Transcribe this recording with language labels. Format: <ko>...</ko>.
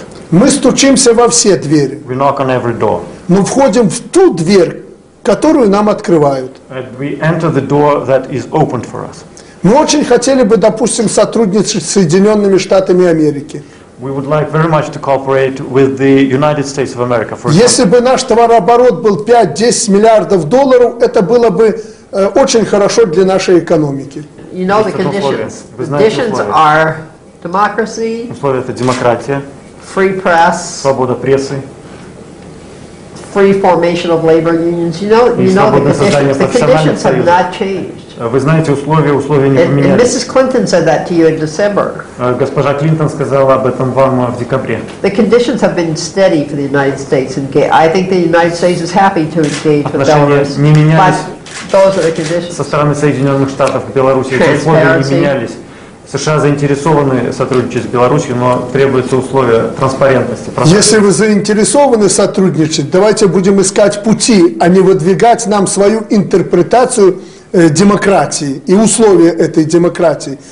<ru>Мы стучимся во все двери.</ru> <en>We knock on every door.</en> <ru>Но входим в ту дверь, которую нам открывают.</ru> <en>And we enter the door that is opened for us.</en> <ru>Мы очень хотели бы, допустим, сотрудничать с Соединенными Штатами Америки.</ru> <en>We would like very much to cooperate with the United States of America.</en> <ru>Если бы наш товарооборот был 5-10 миллиардов долларов, это было бы очень хорошо для нашей экономики.</ru> <en>You know the conditions are democracy.</en> <ru>Условия — это демократия.</ru> <en>Free press.</en> <ru>Свобода прессы.</ru> <en>Free formation of labor unions. You know the conditions have not changed.</en> <ru>Вы знаете, условия не поменялись.</ru> <en>And Mrs. Clinton said that to you in December.</en> <ru>Госпожа Клинтон сказала об этом вам в декабре.</ru> <en>The conditions have been steady for the United States, and I think the United States is happy to engage with Belarus. Those are the conditions.</en> <ru>Со стороны Соединенных Штатов к Беларуси условия не менялись. США заинтересованы в сотрудничестве с Беларусью, но требуются условия транспарентности. Если вы заинтересованы сотрудничать, давайте будем искать пути, а не выдвигать нам свою интерпретацию демократии и условия этой демократии.</ru>